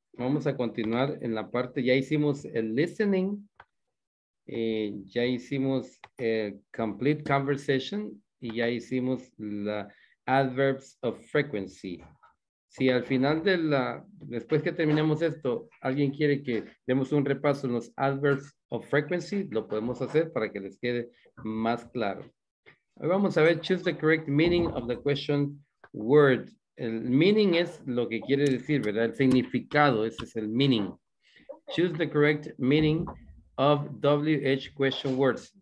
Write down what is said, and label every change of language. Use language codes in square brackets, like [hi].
[es] Vamos a continuar en la parte, ya hicimos el listening, ya hicimos el complete conversation y ya hicimos la adverbs of frequency. Si al final de la, después que terminemos esto, alguien quiere que demos un repaso en los adverbs of frequency, lo podemos hacer para que les quede más claro. Ahora vamos a ver, [en] choose the correct meaning of the question word. [es] El meaning es lo que quiere decir, ¿verdad? El significado, ese es el meaning. [en] Choose the correct meaning of WH question words.